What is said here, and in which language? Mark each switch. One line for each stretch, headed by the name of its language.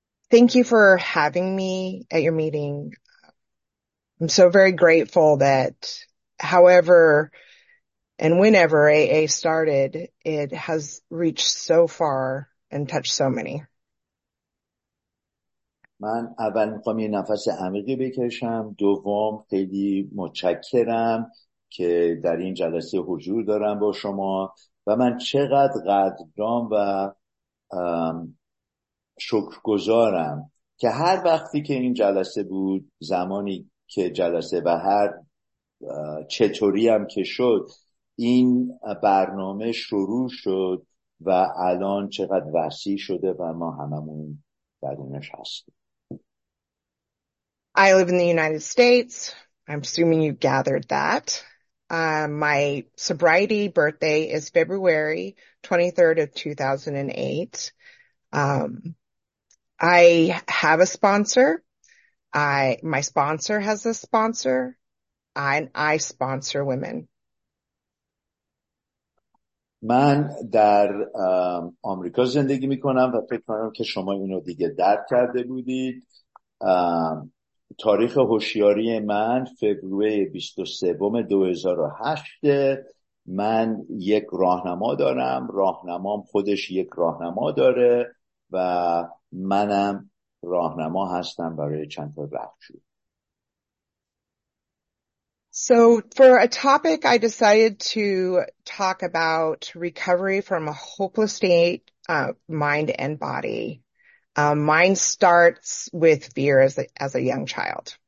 English: Thank you for having me at your meeting. I'm so very grateful that however and whenever AA started, it has reached so far and touched so many.
Persian: من اول میخوام یه نفس عمیقی بکشم. دوم، خیلی متشکرم که در این جلسه حضور دارم با شما و من چقدر قدردان و شکرگزارم که هر وقتی که این جلسه بود، زمانی که جلسه و هر چطوری هم که شد، این برنامه شروع شد و الان چقدر وسیع شده و ما هممون درونش هستیم.
English: I live in the United States. I'm assuming you gathered that. My sobriety birthday is February 23rd of 2008. I have a sponsor. My sponsor has a sponsor, and I sponsor women.
Persian: من در آمریکا زندگی می کنم و فکر کنم که شما اینو دیگه درک کرده بودید. تاریخ هوشیاری من فوریه 23 2008. من یک راهنما دارم، راهنمام خودش یک راهنما داره و منم راهنما هستم برای چند تا بخشی.
English: So for a topic I decided to talk about recovery from a hopeless state of mind and body. Mine starts with fear as a young child.